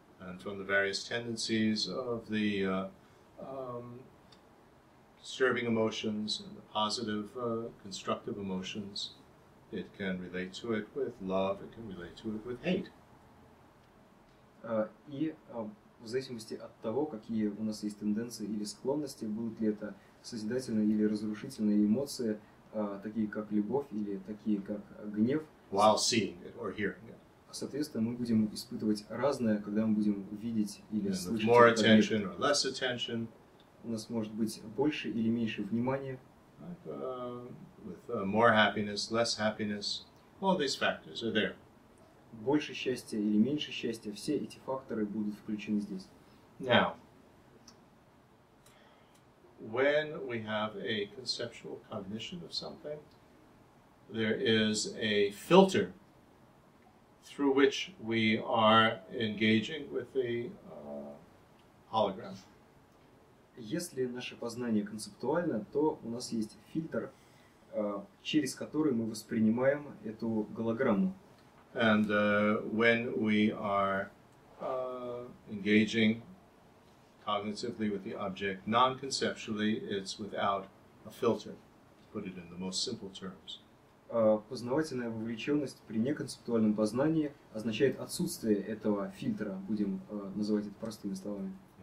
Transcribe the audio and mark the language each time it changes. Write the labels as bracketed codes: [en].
[en] And from the various tendencies of the disturbing emotions and the positive constructive emotions, it can relate to it with love, it can relate to it with hate. [ru] В зависимости от того, какие у нас есть тенденции или склонности, будут ли это созидательные или разрушительные эмоции, такие как любовь или такие как гнев, [en] while seeing it or hearing it. [ru] Соответственно, мы будем испытывать разное, когда мы будем видеть или [en] and [ru] слышать. [en] More attention or less attention. [ru] У нас может быть больше или меньше внимания. [en] With more happiness, less happiness. All these factors are there. [ru] Больше счастья или меньше счастья, все эти факторы будут включены здесь. [en] Now, when we have a conceptual cognition of something, there is a filter through which we are engaging with the hologram. [ru] Если наше познание концептуально, то у нас есть фильтр, через который мы воспринимаем эту голограмму. [en] And when we are engaging cognitively with the object, non-conceptually, it's without a filter, to put it in the most simple terms. [ru] Познавательная вовлеченность при неконцептуальном познании означает отсутствие этого фильтра, будем называть это простыми словами.